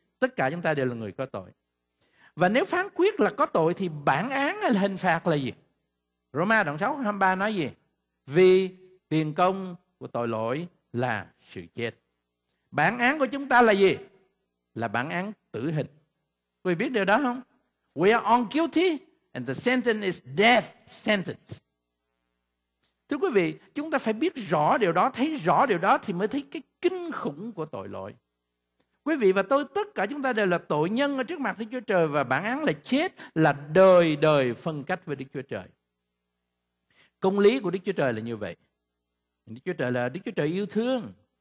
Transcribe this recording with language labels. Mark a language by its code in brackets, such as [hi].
[vi] Tất cả chúng ta đều là người có tội. Và nếu phán quyết là có tội thì bản án hay là hình phạt là gì? Roma đoạn 6, 23 nói gì? Vì tiền công của tội lỗi là sự chết. Bản án của chúng ta là gì? Là bản án tử hình. Quý vị biết điều đó không? [en] We are all guilty and the sentence is death sentence. [vi] Thưa quý vị, chúng ta phải biết rõ điều đó, thấy rõ điều đó thì mới thấy cái kinh khủng của tội lỗi. Quý vị và tôi, tất cả chúng ta đều là tội nhân ở trước mặt Đức Chúa Trời, và bản án là chết, là đời đời phân cách với Đức Chúa Trời. Công lý của Đức Chúa Trời là như vậy. Đức Chúa Trời là Đức Chúa Trời yêu thương.